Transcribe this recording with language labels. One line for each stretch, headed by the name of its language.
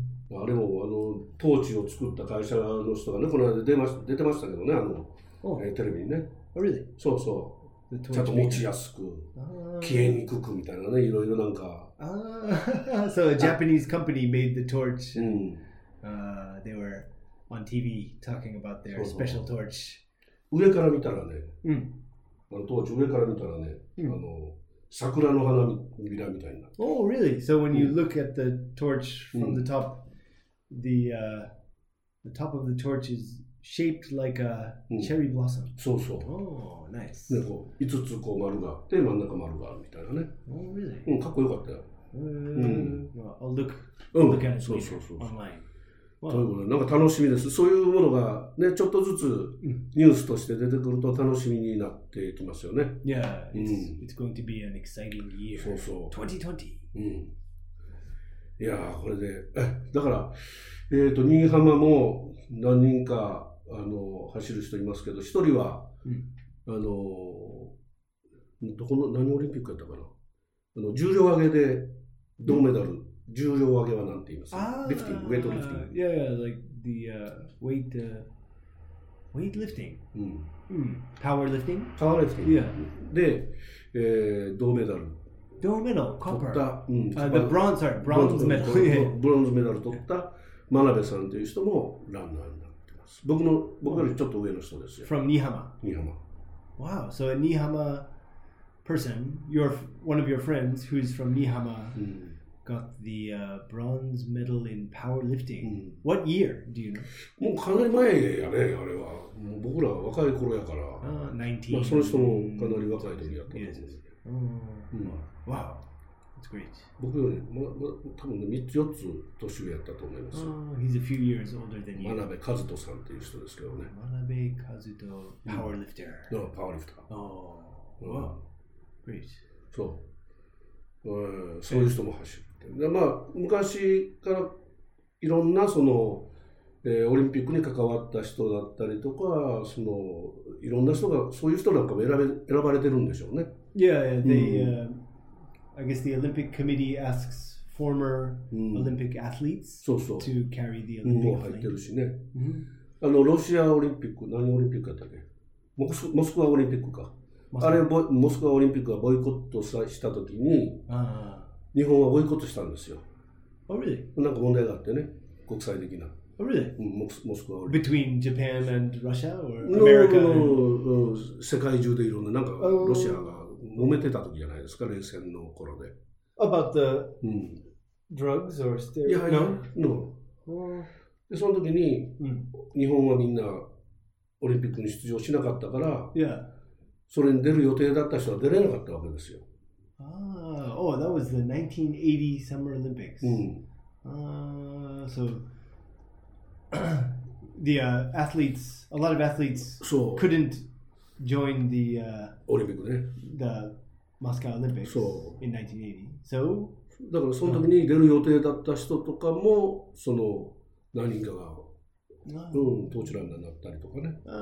Japanese: あれもあのトーチを作った会社の人がね、この間出てましたけどね、あの、テレビにね。
English: Oh, really?
Japanese: そうそう。ちゃんと持ちやすく、消えにくくみたいなね、いろいろなんか。
English: So a Japanese company made the torch. They were on TV talking about their special torch.
Japanese: 上から見たらね、あのトーチ上から見たらね、あの桜の花びらみたいな。
English: Oh, really? So when you look at the torch from the top,the top of the torch is shaped like a cherry blossom.
Japanese: そうそう。
English: Oh, nice.
Japanese: ね、こう5つこう丸があって、真ん中丸があるみたいなね。
English: Oh, really?
Japanese: かっこよかったよ。
English: Well, I'll look at it later online.
Japanese: そういうことで、なんか楽しみです。そういうものがね、ちょっとずつニュースとして出てくると楽しみになっていきますよね。
English: Yeah, it's going to be an exciting year.
Japanese: そうそう。 2020. いやー、これで、だから、新居浜も何人か、走る人いますけど、一人は、何オリンピックやったかな、あの重量挙げで銅メダル、重量挙げは何て言いますか、リフティング、ウェイトリフティング。いやいや、
English: like the weight, weight lifting. Power lifting? Power lifting. Yeah.
Japanese: で、銅メダル。銅メダル、コッパー。
English: The bronze, sorry, bronze medal.
Japanese: ブロンズメダル取った真鍋さんという人もランナーになってます。僕よりちょっと上の人ですよ。
English: From Nihama. Nihama. Wow, so a Nihama person, one of your friends who's from Nihama, got the bronze medal in powerlifting. What year, do you know?
Japanese: もうかなり前やね、あれは。もう僕ら若い頃やから。
English: 19.
Japanese: その人もかなり若い時やったと思う。
English: Wow, that's great.
Japanese: 僕よりも、多分ね、3つ4つ年上やったと思いますよ。
English: He's a few years older than you.
Japanese: 真鍋和人さんっていう人ですけどね。真鍋和人、パワーリフター。 No, パワーリフター。
English: Wow, great.
Japanese: そう。そういう人も走って。まあ、昔からいろんなその、オリンピックに関わった人だったりとか、そのいろんな人が、そういう人なんかも選ばれてるんでしょうね。
English: Yeah, I guess the Olympic Committee asks former Olympic athletes to carry the Olympic flag.
Japanese: そうそう。入ってるしね。あのロシアオリンピック、何オリンピックだったっけ？モスクワオリンピックか。あれ、モスクワオリンピックがボイコットしたときに、日本はボイコットしたんですよ。
English: Oh, really?
Japanese: なんか問題があってね、国際的な。
English: Oh, really?
Japanese: モスクワ。
English: Between Japan and Russia or America? No, no, no, no.
Japanese: 世界中でいろんな、なんかロシアが揉めてた時じゃないですか、冷戦の頃で。
English: About the drugs or steroids?
Japanese: いや、no. で、その時に、日本はみんなオリンピックに出場しなかったから、それに出る予定だった人は出れなかったわけですよ。
English: Oh, that was the 1980 Summer Olympics. So, the athletes, a lot of athletes couldn't join the, Olympic, the Moscow Olympics in 1980. So,
Japanese: だからその時に出る予定だった人とかも、その何人かが、トーチランナーになったりとかね。